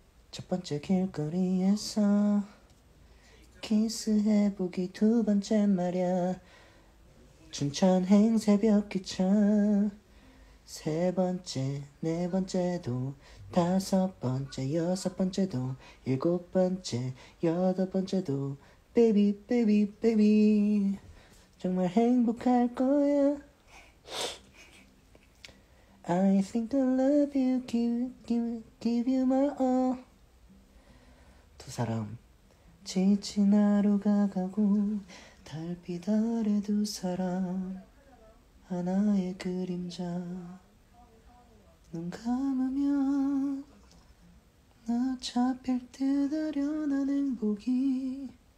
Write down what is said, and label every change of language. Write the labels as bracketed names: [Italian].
[Korean] 첫 번째 길거리에서 키스해보기 두 번째 말이야 춘천 행 새벽 기차 세 번째 네 번째도 다섯 번째 여섯 번째도 일곱 번째 여덟 번째도 [English] baby baby baby [Korean] 정말 행복할 거야. [English] I think I love you give you my all. [Korean] 두 사람 지친 하루가 가고 달빛 아래 두 사람 하나의 그림자 눈 감으면 나 잡힐 듯 아련한 행복이.